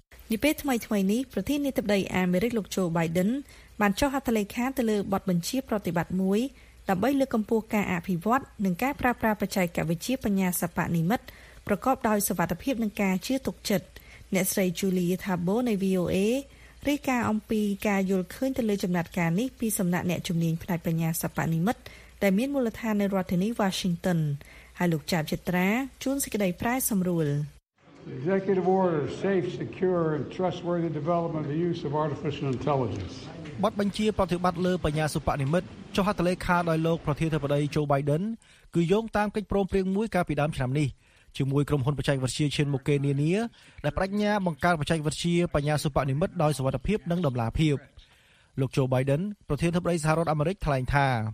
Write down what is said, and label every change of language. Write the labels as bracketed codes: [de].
[km] នេះពេលថ្មីៗនេះប្រធាននាយកប្រដ័យអាមេរិកលោកโจ Biden បានចុះហត្ថលេខាទៅលើបទបញ្ជាប្រតិបត្តិមួយដើម្បីលើកកម្ពស់ការអភិវឌ្ឍនិងការប្រើប្រាស់បច្ចេកវិទ្យាបញ្ញាសិប្បនិម្មិតប្រកបដោយសវត្ថិភាពនិងការជឿទុកចិត្តអ្នកស្រី Julie Thabo នៃ VOA រាយការណ៍អំពីការយល់ឃើញទៅលើចំណាត់ការនេះពីសំណាក់អ្នកជំនាញផ្នែកបញ្ញាសិប្បនិម្មិតដែលមានមូលដ្ឋាននៅរដ្ឋធានី Washington ហើយលោកចាប់ចិត្រាជួនសេចក្តីប្រែសម្រួល [en] Executive order, safe, secure, and trustworthy development of the use of artificial intelligence. [km] បទបញ្ជាប្រតិបត្តិលើបញ្ញាសិប្បនិម្មិតចុះហត្ថលេខាដោយលោកប្រធានាធិបតី Joe Biden គឺយោងតាមកិច្ចព្រមព្រៀងមួយកាលពីដើមឆ្នាំនេះជាមួយក្រុមហ៊ុនបច្ចេកវិទ្យាឈានមុខគេនានាដែលបញ្ញាបង្កើតបច្ចេកវិទ្យាបញ្ញាសិប្បនិម្មិតដោយសវត្ថភាពនិងដំណាលភាពលោក Joe Biden ប្រធានាធិបតីសហរដ្ឋអាមេរិកថ្លែងថា